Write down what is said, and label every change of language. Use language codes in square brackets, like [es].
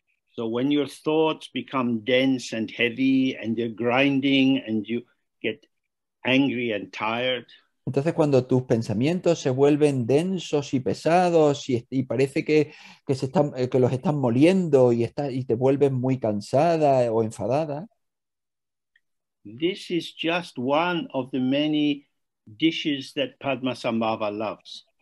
[en] So when your thoughts become dense and heavy and they're grinding and you get angry and tired, [es] Entonces, cuando tus pensamientos se vuelven densos y pesados y parece que los están moliendo y te vuelves muy cansada o enfadada, [en] this is just one of the many dishes that Padmasambhava loves.